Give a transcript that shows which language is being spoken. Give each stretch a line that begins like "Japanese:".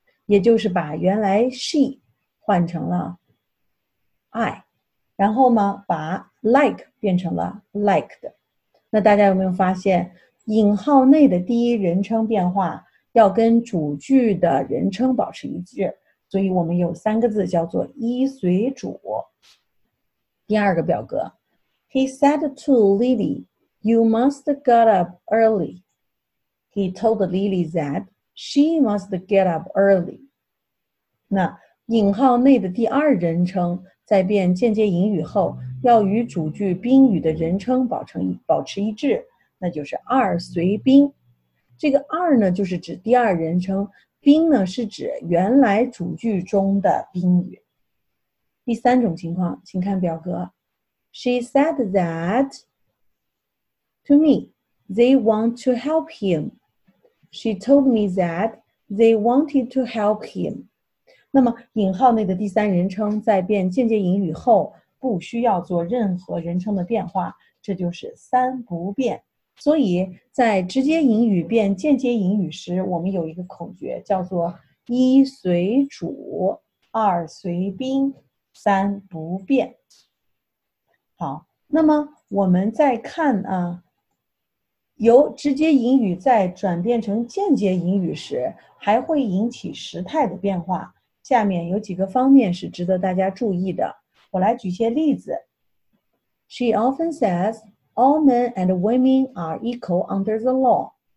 Chinese: 也就是把原来 she 换成了 I. 然后呢把 like 变成了 liked. 那大家有没有发现引号内的第一人称变化要跟主句的人称保持一致，所以我们有三个字叫做依随主。第二个表格
English: He said to Lily, you must get up early. He told Lily that she must get up early.
Chinese: 那引号内的第二人称在变间接引语后要与主句宾语的人称保持一致，那就是二随宾。这个二呢就是指第二人称，宾呢是指原来主句中的宾语。第三种情况，请看表格。
English: She said that to me, they want to help him. She told me that they wanted to help him.
Chinese: 那么引号内的第三人称在变间接引语后不需要做任何人称的变化，这就是三不变。所以在直接引语变间接引语时，我们有一个口诀叫做一随主，二随宾，三不变。好，那么我们再看啊，由直接引语再转变成间接引语时，还会引起时态的变化。下面有几个方面是值得大家注意的，我来举些例子。
English: She often says, all men and women are equal under the law.